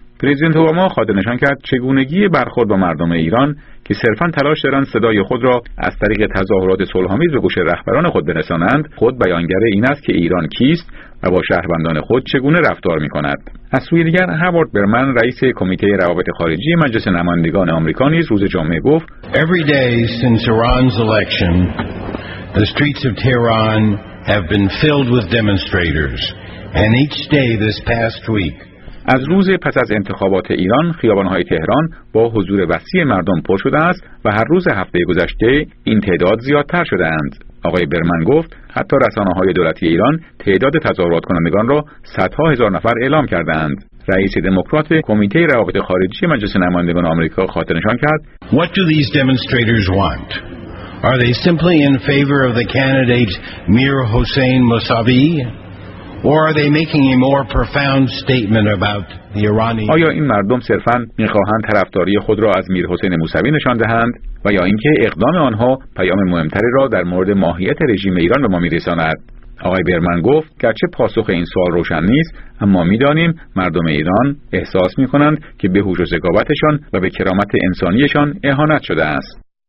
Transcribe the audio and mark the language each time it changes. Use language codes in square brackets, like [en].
[fa] پرزیدنت اوباما خاطرنشان کرد چگونگی برخورد با مردم ایران که صرفاً تلاش دارند صدای خود را از طریق تظاهرات صلح‌آمیز به گوش رهبران خود برسانند، خود بیانگر این است که ایران کیست و با شهروندان خود چگونه رفتار می‌کند. از سوی دیگر هاوارد برمن رئیس کمیته روابط خارجی مجلس نمایندگان آمریکا نیز روز جمعه گفت: [en] Every day since Iran's election, the streets of Tehran have been filled with demonstrators, and each day this past week. [fa] از روز پس از انتخابات ایران، خیابان‌های تهران با حضور وسیع مردم پر شده است و هر روز هفته گذشته این تعداد زیادتر شده اند. آقای برمن گفت حتی رسانه‌های دولتی ایران تعداد تظاهرات کنندگان را صدها هزار نفر اعلام کردند. رئیس دموکرات کمیته روابط خارجی مجلس نمایندگان آمریکا خاطرنشان کرد: [en] What do these demonstrators want? Are they simply in favor of the candidate Mir Hossein Mousavi? Or are they making a more profound statement about the Iranian? [fa] آیا این مردم صرفاً می‌خواهند طرفداری خود را از میر حسین موسوی نشان دهند و یا اینکه اقدام آنها پیام مهمتری را در مورد ماهیت رژیم ایران به ما می‌رساند؟ آقای برمن گفت: گرچه پاسخ این سوال روشن نیست، اما می‌دانیم مردم ایران احساس می‌کنند که به هوش و ذکاوتشان و به کرامت انسانیشان اهانت شده است.